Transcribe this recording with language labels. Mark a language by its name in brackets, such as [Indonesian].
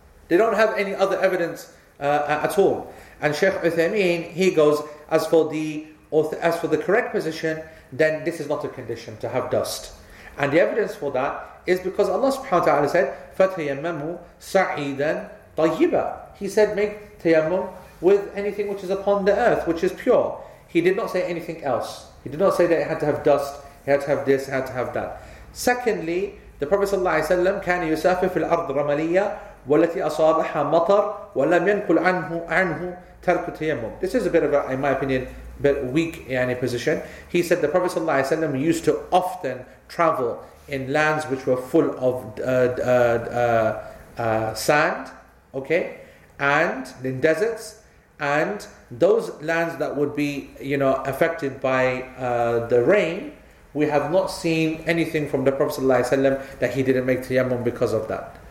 [English] They don't have any other evidence at all. And Sheikh Uthaymeen, he goes, as for the correct position, then this is not a condition to have dust. And the evidence for that is because Allah subhanahu wa ta'ala said, [Arabic] فَتَيَمَّمُوا سَعِيدًا طَيِّبًا. [English] He said, make tayammum with anything which is upon the earth, which is pure. He did not say anything else. He did not say that it had to have dust, it had to have this, it had to have that. Secondly, the Prophet sallallahu alayhi wa sallam, [Arabic] كان يسافر في الأرض رمليا والتي أصابها مطر ولم ينقل عنه ترك التيمم. [English] This is a bit of a, in my opinion, a bit weak يعني position. He said the Prophet sallallahu alayhi wa sallam used to often travel in lands which were full of sand, okay, and in deserts, and those lands that would be, you know, affected by the rain, we have not seen anything from the Prophet ﷺ that he didn't make tayammum because of that.